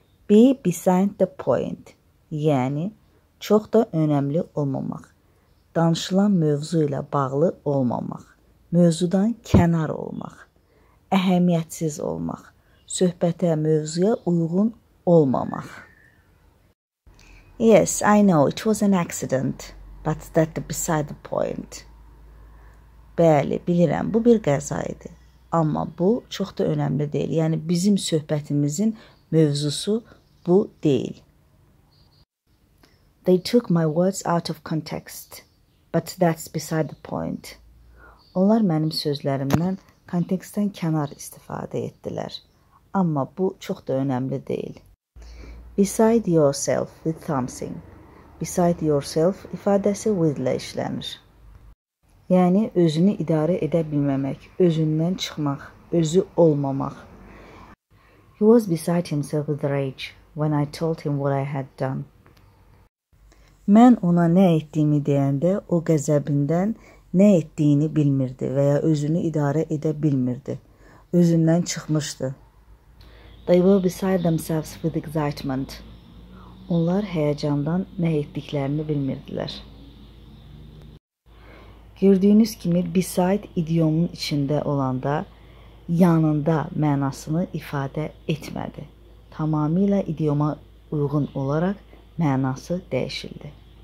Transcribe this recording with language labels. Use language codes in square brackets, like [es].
[en] Be beside the point, [az] yəni çox da önəmli olmamaq, danışılan mövzu ilə bağlı olmamaq, mövzudan kənar olmaq, əhəmiyyətsiz olmaq, söhbətə, mövzuya uyğun olmamaq. [en] Yes, I know, it was an accident, but that's beside the point. [az] Bəli, bilirəm, bu bir qəza idi. Amma bu çox da önəmli deyil. Yəni, bizim söhbətimizin mövzusu bu deyil. [en] They took my words out of context, but that's beside the point. [az] Onlar mənim sözlərimdən kontekstdən kənar istifadə etdilər. Amma bu çox da önəmli deyil. [en] Beside yourself with something. [az] Beside yourself ifadəsi with ilə işlənir. Yəni, özünü idarə edə bilməmək, özündən çıxmaq, özü olmamaq. [en] He was beside himself with rage when I told him what I had done. [az] Mən ona nə etdiyimi deyəndə, o qəzəbindən nə etdiyini bilmirdi və ya özünü idarə edə bilmirdi. Özündən çıxmışdı. [en] They were beside themselves with excitement. [az] Onlar həyəcandan nə etdiklərini bilmirdilər. Gördüyünüz kimi, beside idiomun içində olanda yanında mənasını ifadə etmədi. Tamamilə idioma uyğun olaraq mənası dəyişildi.